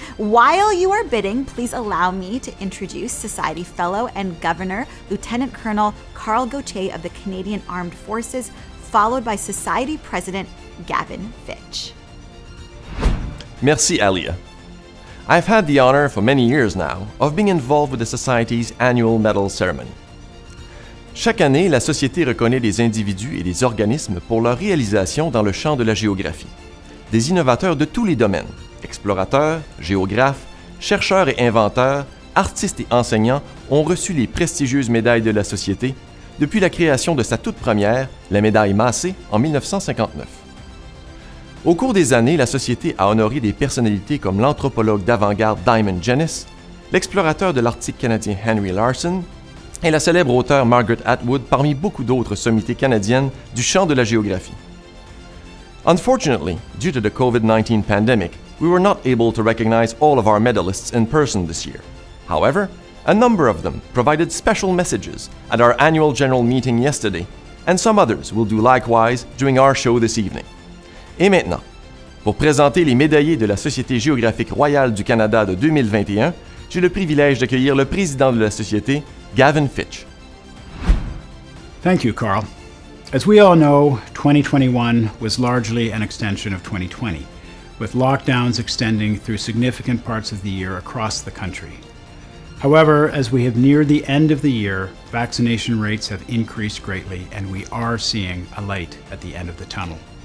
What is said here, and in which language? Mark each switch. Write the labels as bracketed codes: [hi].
[en] While you are bidding, please allow me to introduce Society Fellow and Governor, Lieutenant Colonel Carl Gauthier of the Canadian Armed Forces, followed by Society President Gavin Fitch. [fr] Merci, Aliya. [en] I've had the honor for many years now of being involved with the Society's annual medal ceremony. [fr] Chaque année, la Société reconnaît des individus et des organismes pour leur réalisation dans le champ de la géographie. Des innovateurs de tous les domaines, explorateurs, géographes, chercheurs et inventeurs, artistes et enseignants ont reçu les prestigieuses médailles de la Société depuis la création de sa toute première, la médaille Massé, en 1959. Au cours des années, la Société a honoré des personnalités comme l'anthropologue d'avant-garde Diamond Jennis, l'explorateur de l'Arctique canadien Henry Larson et la célèbre auteure Margaret Atwood parmi beaucoup d'autres sommités canadiennes du champ de la géographie. [en] Unfortunately, due to the COVID-19 pandemic, we were not able to recognize all of our medalists in person this year. However, a number of them provided special messages at our annual general meeting yesterday, and some others will do likewise during our show this evening. [fr] Et maintenant, pour présenter les médaillés de la Société géographique royale du Canada de 2021, j'ai le privilège d'accueillir le président de la Société, Gavin Fitch. [en] Thank you, Carl. As we all know, 2021 was largely an extension of 2020, with lockdowns extending through significant parts of the year across the country. However, as we have neared the end of the year, vaccination rates have increased greatly, and we are seeing a light at the end of the tunnel.